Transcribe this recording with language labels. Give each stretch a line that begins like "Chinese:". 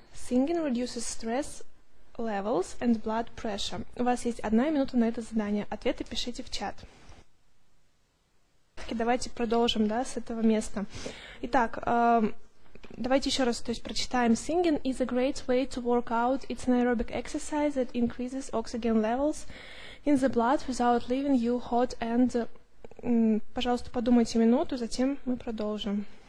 English: Singing reduces stress levels and blood pressure.
Russian: У вас есть одна минута на это задание. Ответы пишите в чат. И давайте продолжим, да, с этого места. Итак, давайте еще раз, то есть, прочитаем.
English: Singing is a great way to work out. It's an aerobic exercise that increases oxygen levels in the blood without leaving you hot and...
Russian: Пожалуйста, подумайте минуту, затем мы продолжим.